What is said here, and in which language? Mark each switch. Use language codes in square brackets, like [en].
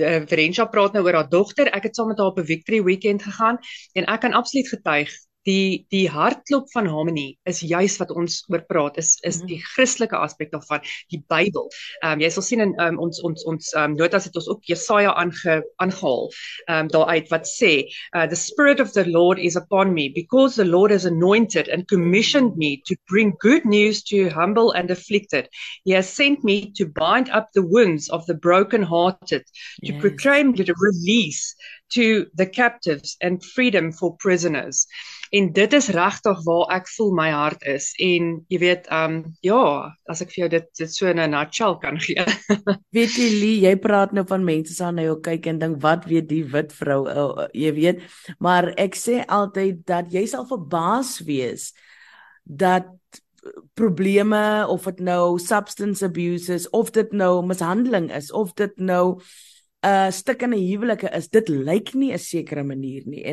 [af] Verenja praat nou oor haar dogter, ek het saam met haar op 'n victory weekend gegaan en ek kan absoluut getuig die hartklop van Harmony is juis wat ons oor praat is die Christelike aspek daarvan die Bybel. Jy sal sien in ons notas het ons ook Jesaja aangehaal. Daaruit wat sê [en] the spirit of the Lord is upon me because the Lord has anointed and commissioned me to bring good news to humble and afflicted. He has sent me to bind up the wounds of the broken hearted to proclaim the release to the captives and freedom for prisoners. [af] En dit is regtig waar ek voel my hart is en jy weet ja, as ek vir jou dit so in 'n nutshell kan gee. Weet jy Lee, jy praat nou van mense sal na jou kyk en dink wat weet die wit vrou, jy weet, maar ek sê altyd dat jy sal verbaas wees dat probleme of dit nou substance abuse is of dit nou mishandeling is of dit nou 'n stuk in 'n huwelike is, dit lyk nie 'n sekere manier nie.